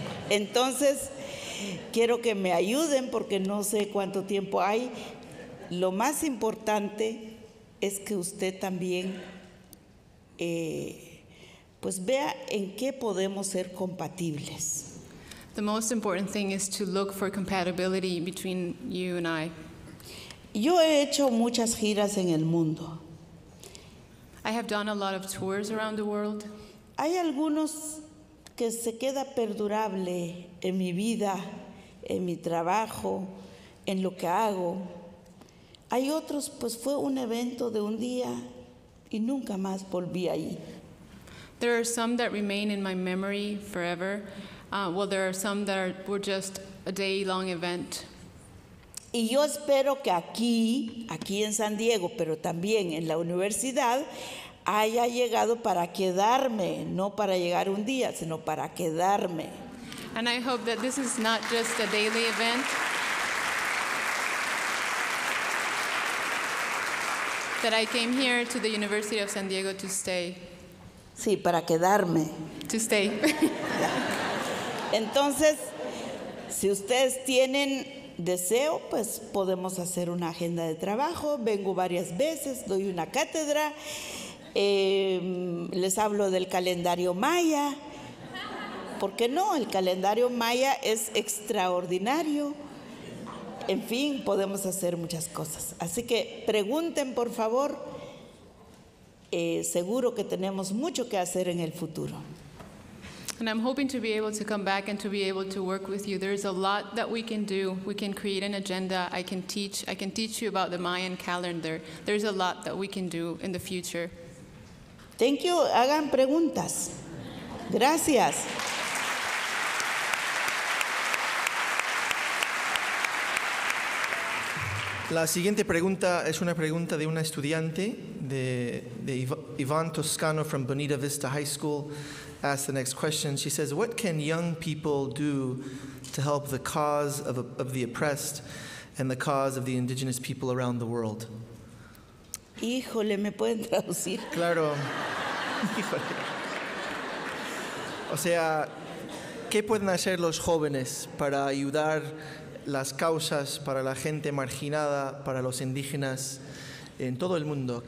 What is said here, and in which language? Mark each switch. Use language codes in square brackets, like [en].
[es] Entonces, quiero que me ayuden porque no sé cuánto tiempo hay. Lo más importante es que usted también pues vea en qué podemos ser compatibles. [en] The most important thing is to look for compatibility between you and I. [es] Yo he hecho muchas giras en el mundo. [en] I have done a lot of tours around the world. [es] Hay algunos que se queda perdurable en mi vida, en mi trabajo, en lo que hago. Hay otros, pues fue un evento de un día y nunca más volví ahí. [en] There are some that remain in my memory forever. Well, there are some that were just a day-long event. [es] Y yo espero que aquí en San Diego, pero también en la universidad, haya llegado para quedarme, no para llegar un día, sino para quedarme. [en] And I hope that this is not just a daily event. That I came here to the University of San Diego to stay. [es] Sí, para quedarme. [en] To stay. [es] Entonces, si ustedes tienen deseo, pues podemos hacer una agenda de trabajo. Vengo varias veces, doy una cátedra. Les hablo del calendario maya. ¿Por qué no? El calendario maya es extraordinario. En fin, podemos hacer muchas cosas. Así que pregunten, por favor. Seguro que tenemos mucho que hacer en el futuro. [en] And I'm hoping to be able to come back and to be able to work with you. There is a lot that we can do. We can create an agenda. I can teach you about the Mayan calendar. There's a lot that we can do in the future. Thank you. [es] Hagan preguntas. Gracias. La siguiente pregunta es una pregunta de una estudiante de Ivan Toscano from Bonita Vista High School. [en] Asks the next question. She says, what can young people do to help the cause of the oppressed and the cause of the indigenous people around the world? [es] Híjole, ¿me pueden traducir? Claro. Híjole. O sea, ¿qué pueden hacer los jóvenes para ayudar las causas para la gente marginada, para los indígenas en todo el mundo?